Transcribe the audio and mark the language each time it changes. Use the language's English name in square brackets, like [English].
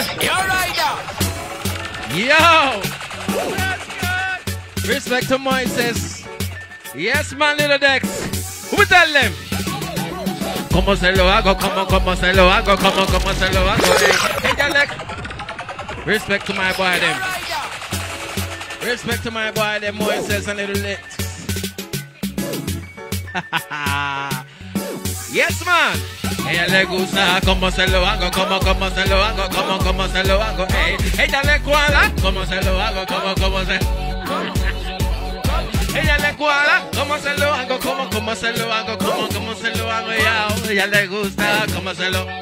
[English] Yo, Ryder. Yo. Respect to Moises. Yes, man, little Dex. Who tell them? [Spanish] Como se lo hago, como se lo hago, como se lo hago. [English] Hey, Alex. Respect to my boy, them. Respect to my boy, them, Moises and little Dex. Yes, man. [Spanish] Ella le gusta como se lo hago, como se lo hago, como se lo hago. Hey, ella le cuadra. Como se lo hago, como se. Ella le cuadra, cómo se lo hago, cómo se lo hago, cómo se lo hago, ya. Ella le gusta, cómo se lo.